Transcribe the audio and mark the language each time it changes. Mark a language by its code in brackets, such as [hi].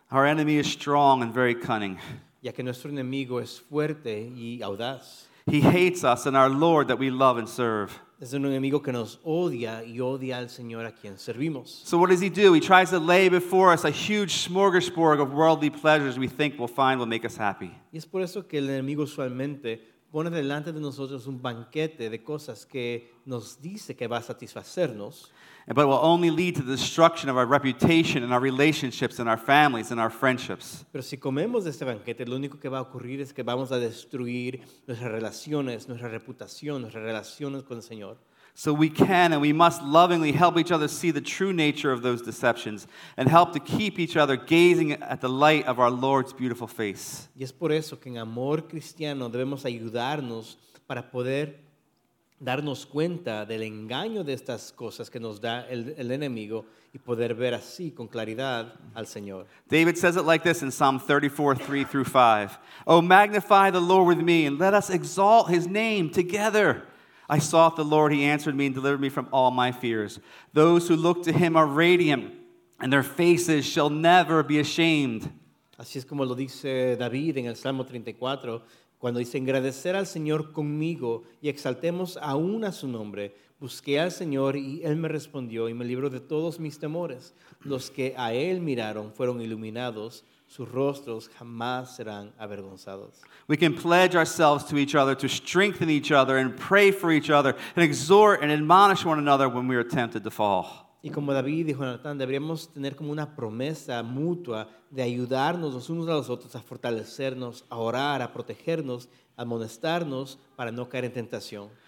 [en] Our enemy is strong and very cunning. [es] Ya que nuestro enemigo es fuerte y audaz. [en] He hates us and our Lord that we love and serve. [es] Es un enemigo que nos odia y odia al Señor a quien servimos. [en] So what does he do? He tries to lay before us a huge smorgasbord of worldly pleasures we think we'll find will make us happy. [es] Y es por eso que el enemigo usualmente pone delante de nosotros un banquete de cosas que nos dice que va a satisfacernos. [en] But it will only lead to the destruction of our reputation and our relationships and our families and our friendships. [es] Pero si comemos de este banquete, lo único que va a ocurrir es que vamos a destruir nuestras relaciones, nuestra reputación, nuestras relaciones con el Señor. [en] So we can and we must lovingly help each other see the true nature of those deceptions and help to keep each other gazing at the light of our Lord's beautiful face. [es] Y es por eso que en amor cristiano debemos ayudarnos para poder darnos cuenta del engaño de estas cosas que nos da el enemigo y poder ver así con claridad al Señor. [en] David says it like this in Psalm 34, 3 through 5. Oh, magnify the Lord with me and let us exalt his name together. I sought the Lord, he answered me and delivered me from all my fears. Those who look to him are radiant and their faces shall never be ashamed. [es] Así es como lo dice David en el Salmo 34. Cuando dice, engrandecer al Señor conmigo y exaltemos aún a su nombre, busqué al Señor y Él me respondió y me libró de todos mis temores. Los que a Él miraron fueron iluminados, sus rostros jamás serán avergonzados. [en] We can pledge ourselves to each other to strengthen each other and pray for each other and exhort and admonish one another when we are tempted to fall. [es] Y como David y Jonathan, deberíamos tener como una promesa mutua de ayudarnos los unos a los otros a fortalecernos, a orar, a protegernos, a amonestarnos para no caer en tentación.